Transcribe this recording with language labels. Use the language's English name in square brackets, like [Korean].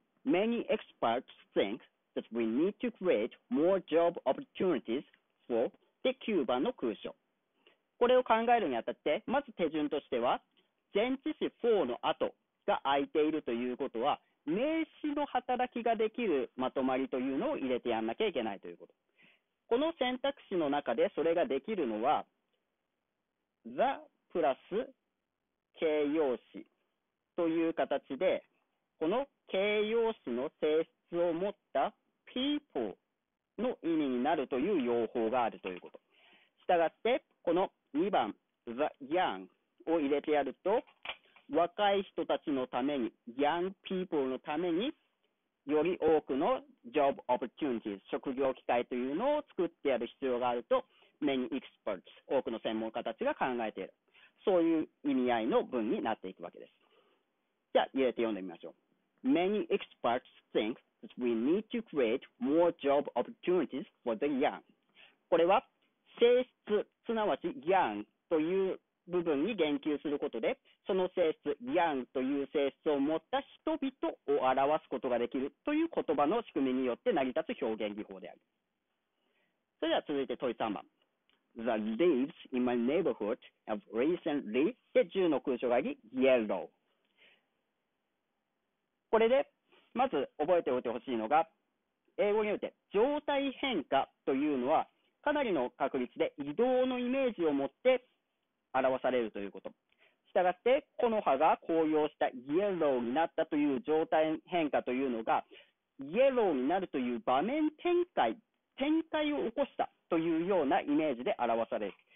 [English] Many experts think that we need to create more job opportunities for [Japanese] で9番の空所。これを考えるにあたって、まず手順としては、前置詞4の後、が空いているということは、名詞の働きができるまとまりというのを入れてやんなきゃいけないということ。この選択肢の中でそれができるのは、the プラス形容詞という形で、この形容詞の性質を持った people の意味になるという用法があるということ。したがって、この2番、the young を入れてやると、若い人たちのために、young people のために、より多くの job opportunities、職業機会というのを作ってやる必要があると、many experts、多くの専門家たちが考えている。そういう意味合いの文になっていくわけです。じゃあ、入れて読んでみましょう。 [English] Many experts think that we need to create more job opportunities for the young. [Japanese] これは、性質、すなわち young という部分に言及することで、その性質、young という性質を持った人々を表すことができるという言葉の仕組みによって成り立つ表現技法である。それでは続いて問い3番。 [English] The leaves in my neighborhood have recently [Japanese] で10の空所があり、 [English] yellow。 [Japanese] これで、まず覚えておいてほしいのが、英語において状態変化というのは、かなりの確率で移動のイメージを持って、表されるということ。したがって、木の葉が紅葉したイエローになったという状態変化というのが、イエローになるという場面展開を起こしたというようなイメージで表される。